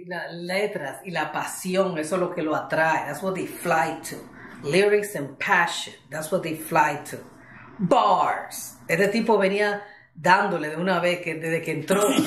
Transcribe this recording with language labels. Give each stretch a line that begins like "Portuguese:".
Spanish: Letras y la pasión, eso es lo que lo atrae.
English: That's what they fly to. Lyrics and passion, that's what they fly to. Bars.
Spanish: Este tipo venía dándole de una vez que desde que entró.